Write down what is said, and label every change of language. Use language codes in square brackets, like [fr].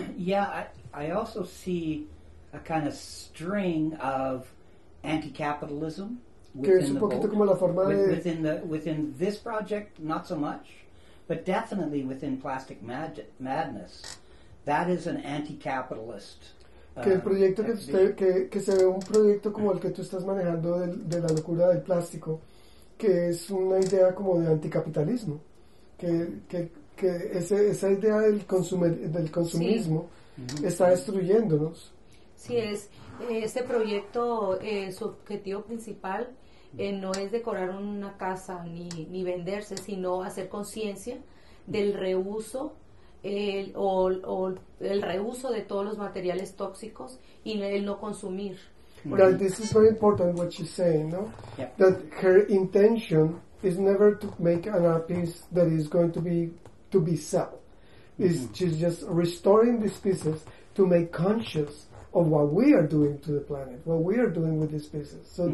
[en] Yeah, I also see a kind of string of anti-capitalism within this project, not so much, but definitely within Plastic Madness, that is an anti-capitalist. [es] Que el proyecto que se ve un proyecto como el que tú estás manejando de la locura del plástico. Que es una idea como de anticapitalismo, que esa idea del consumismo sí. está destruyéndonos. Sí, es este proyecto, su objetivo principal no es decorar una casa ni venderse, sino hacer conciencia del reuso el reuso de todos los materiales tóxicos y el no consumir. Mm-hmm. [en] That this is very important what she's saying, no? Yeah. That her intention is never to make an art piece that is going to be sell. Mm-hmm. Is she's just restoring these pieces to make conscious of what we are doing to the planet, what we are doing with these pieces. So mm-hmm.